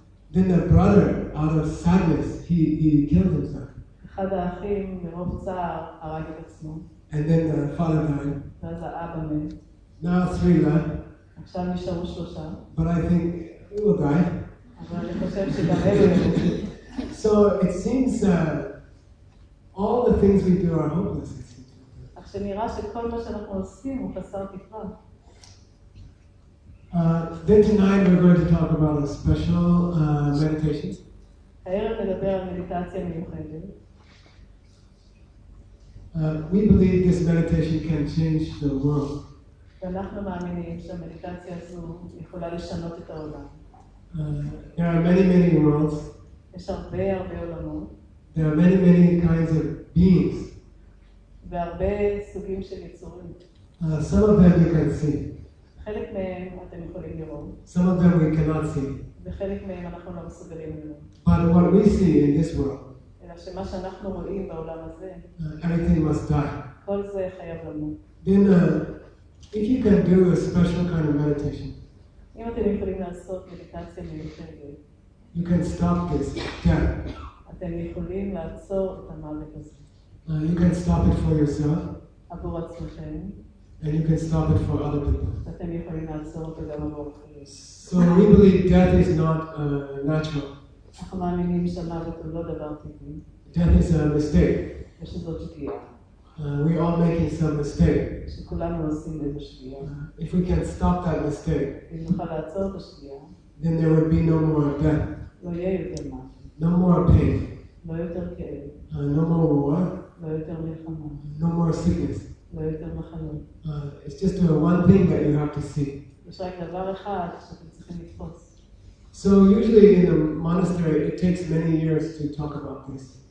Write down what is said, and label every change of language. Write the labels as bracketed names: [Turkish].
[English] Then a brother, out of sadness, he killed himself. [Hebrew] אחד האחים מרוב צער הרג את עצמו. [English] And then the father died. [Hebrew] ואז האבא מת. [English] Now three left. [Hebrew] עכשיו נשארו שלושה. [English] But I think he will die. [Hebrew] אבל אני חושב שגם אלו ימותו. [English] So it seems all the things we do are hopeless, it seems. [Hebrew] אך שנראה שכל מה שאנחנו עושים הוא חסר תקווה. [English] Then tonight we're going to talk about a special meditation. [Hebrew] הערב נדבר על מדיטציה מיוחדת. [English] We believe this meditation can change the world. [Hebrew] אנחנו מאמינים שהמדיטציה הזו יכולה לשנות את העולם. [English] There are many, many worlds. [Hebrew] יש הרבה הרבה עולמות. [English] There are many, many kinds of beings. [Hebrew] והרבה סוגים של יצורים. [English] Some of them you can see. [Hebrew] חלק מהם אתם יכולים לראות. [English] Some of them we cannot see. [Hebrew] וחלק מהם אנחנו לא מסוגלים לראות. [English] But what we see in this world. [Hebrew] שמה שאנחנו רואים בעולם הזה, [English] everything must die. [Hebrew] כל זה חייב למות. [English] Then, if you can do a special kind of meditation, [Hebrew] אם אתם יכולים לעשות מדיטציה מיוחדת, [English] you can stop this death. [Hebrew] אתם יכולים לעצור את המוות הזה. [English] You can stop it for yourself. [Hebrew] עבור עצמכם. [English] And you can stop it for other people. [Hebrew] אתם יכולים לעצור את זה גם עבור אחרים. [English] So we believe death is not natural. [Hebrew] אנחנו מאמינים שהמוות הוא לא דבר טבעי. [English] Death is a mistake. [Hebrew] ושזאת שגיאה. [English] We all making some mistake. [Hebrew] שכולנו עושים איזו שגיאה. [English] If we can stop that mistake. [Hebrew] אם נוכל לעצור את השגיאה. [English] Then there would be no more death. [Hebrew] לא יהיה יותר מוות. [English] No more pain. [Hebrew] לא יותר כאב. [English] No more war. [Hebrew] לא יותר מלחמה. [English] No more sickness. [Hebrew] לא יותר מחלות. [English] It's just one thing that you have to see. [Hebrew] יש רק דבר אחד שאתם צריכים לתפוס. [English] So usually in a monastery it takes many years to talk about this.